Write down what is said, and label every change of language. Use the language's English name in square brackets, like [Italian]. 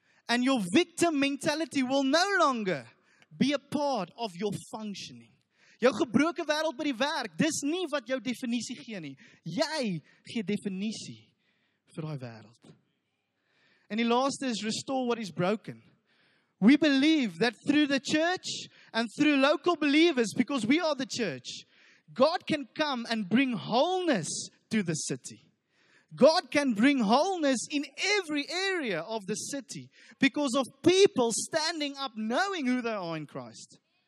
[English] And your victim mentality will no longer be a part of your functioning. [Afrikaans] Jou gebroken wereld by die werk, dis nie wat jou definisie gee nie. Jy gee definisie vir die wereld. [English] And the last is restore what is broken. We believe that through the church and through local believers, because we are the church, God can come and bring wholeness to the city. God can bring wholeness in every area of the city because of people standing up knowing who they are in Christ.